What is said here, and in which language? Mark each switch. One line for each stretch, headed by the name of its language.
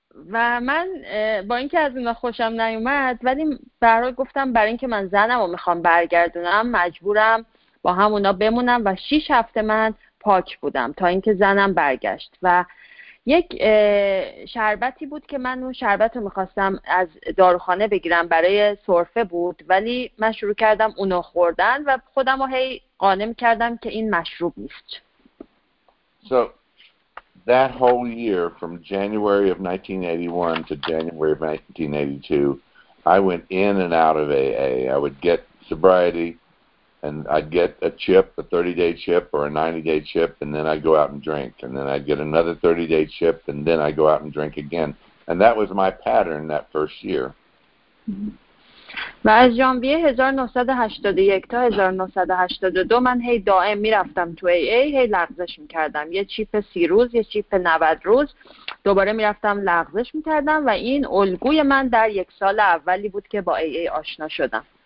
Persian: و من با اینکه از اونا خوشم نیومد ولی برای گفتم برای اینکه من زنم رو میخوام برگردونم مجبورم با هم اونا بمونم و 6 هفته من پاک بودم تا اینکه زنم برگشت و یک شربتی بود که من اون شربت رو میخواستم از داروخانه بگیرم برای سرفه بود ولی من شروع کردم اونو خوردن و خودم رو هی قانع کردم که این مشروب نیست.
English: So that whole year from January of 1981 to January of 1982, I went in and out of AA. I would get sobriety, and I'd get a chip, a 30-day chip or a 90-day chip, and then I'd go out and drink. And then I'd get another 30-day chip, and then I'd go out and drink again. And that was my pattern that first year.
Persian: و از ژانویه 1981 تا 1982 من هی دائم میرفتم تو AA، هی لغزش میکردم، یه چیپ 30 روز، یه چیپ 90 روز، دوباره میرفتم لغزش میکردم و این الگوی من در یک سال اولی بود که با AA آشنا شدم.